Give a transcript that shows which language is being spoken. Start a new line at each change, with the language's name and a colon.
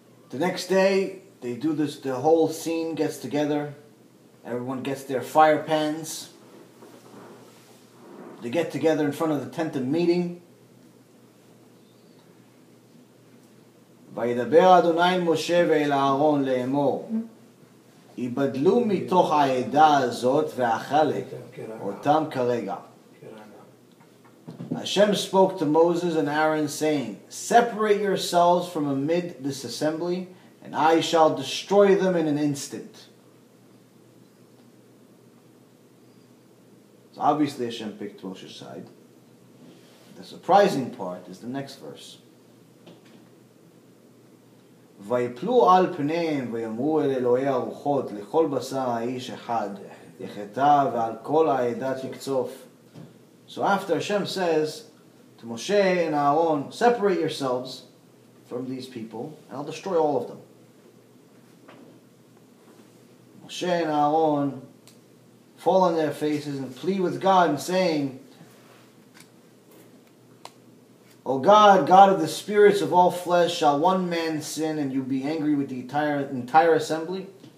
English: The next day, they do this, the whole scene gets together. Everyone gets their fire pans. They get together in front of the tent of meeting.
Hebrew: וידבר אדוני משה ואל אהרון לאמור, יבדלו מתוך העדה הזאת והחלק אותם כרגע.
English: Hashem spoke to Moses and Aaron, saying, "Separate yourselves from amid this assembly, and I shall destroy them in an instant." So obviously Hashem picked Moshe's side. The surprising part is the next verse.
Hebrew: ויפלו על פניהם ויאמרו אל אלוהי הרוחות לכל בשר האיש אחד יחטא ועל כל העדה תקצוף.
English: So after Hashem says to Moshe and Aaron, separate yourselves from these people and I'll destroy all of them. Moshe and Aaron fall on their faces and plead with God and saying, O God, God of the spirits of all flesh, shall one man sin and you be angry with the entire assembly?